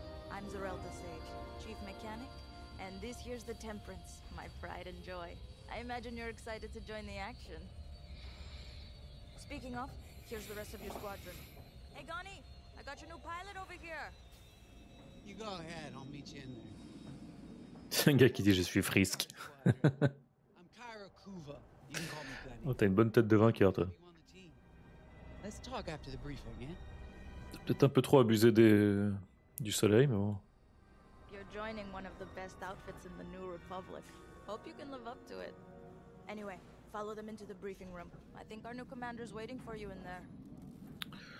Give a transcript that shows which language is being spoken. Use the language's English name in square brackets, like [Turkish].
[English] I'm Zerelda Sage, chief mechanic, and this here's the Temperance, my pride and joy. I imagine you're excited to join the action. Speaking of, here's the rest of your squadron. Hey, Ghani, I got your new pilot over here. You go ahead, I'll meet you in there. [French] C'est un gars qui dit je suis Frisk. [English] I'm Kyra Kuva. You can call me Ghani. [French] Oh, t'as une bonne tête de vainqueur, toi. [English] Let's talk after the briefing, yeah? [French] Peut-être un peu trop abusé du soleil, mais bon. [English] You're joining one of the best outfits in the New Republic. Hope you can live up to it. Anyway, follow them into the briefing room. I think our new commander's waiting for you in there.